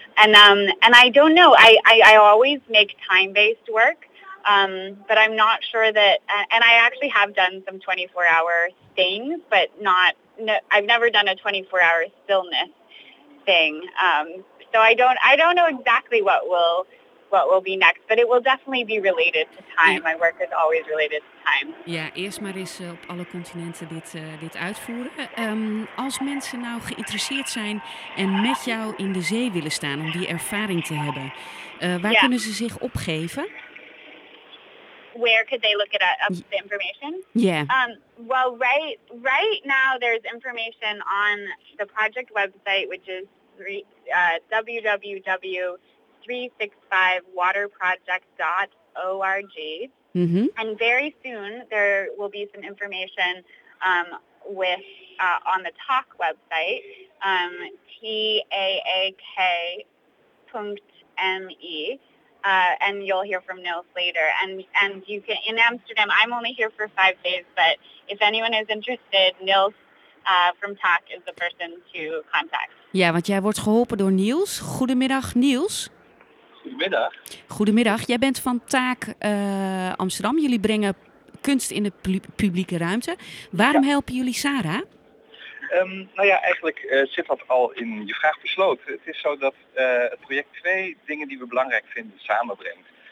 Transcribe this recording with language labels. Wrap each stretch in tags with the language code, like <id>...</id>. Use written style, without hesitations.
<en>And I don't know, I always make time-based work, but I'm not sure that, and I actually have done some 24-hour things, but not, no, I've never done a 24-hour stillness thing, so I don't know exactly what will be next, but it will definitely be related to time. My work is always related to time.</en> <nl>Ja, eerst maar eens op alle continenten dit uitvoeren. Als mensen nou geïnteresseerd zijn en met jou in de zee willen staan om die ervaring te hebben, waar kunnen ze zich opgeven?</nl> <en>Where could they look it up, the information? Yeah. Well, right now there's information on the project website, which is www.365waterproject.org. Mm-hmm. And very soon there will be some information on the TAAK website, TAAK.me. And you'll hear from Nils later. And you can, in Amsterdam, I'm only here for 5 days, but if anyone is interested, Nils from TAAK is the person to contact.</en> <nl>Ja, want jij wordt geholpen door Nils. Goedemiddag, Nils. Goedemiddag. Goedemiddag. Jij bent van TAAK Amsterdam. Jullie brengen kunst in de publieke ruimte. Waarom helpen jullie Sarah? Eigenlijk zit dat al in je vraag besloten. Het is zo dat het project twee dingen die we belangrijk vinden samenbrengt.</nl>